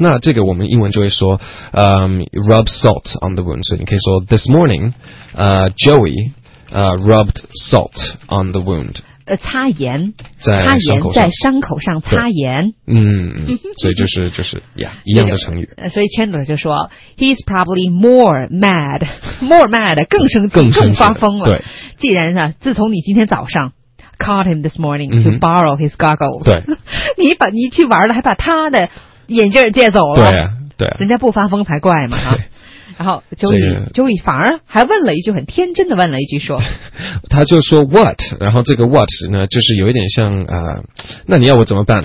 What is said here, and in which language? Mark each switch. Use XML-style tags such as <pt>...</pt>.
<zh>那这个我们英文就会说，</zh> <en>rub salt on the wound。</en> <zh>所以你可以说</zh> <en>this morning, Joey, rubbed salt on the wound。</en> <zh>擦盐，在伤口上，在伤口上擦盐。所以就是呀，一样的成语。所以 Chandler 就说 ，</zh> <en>He's probably more mad，</en> <zh>更生气更发疯了。对，既然呢，自从你今天早上。</zh> <en>Caught him this morning to borrow his goggles.</en> <zh>对，你去玩了，还把他的眼镜借走了。对啊，对啊，人家不发疯才怪嘛！然后Joey反而还问了一句，很天真的问了一句说，他就说 What？然后这个 What 呢，就是有一点像那你要我怎么办？</zh>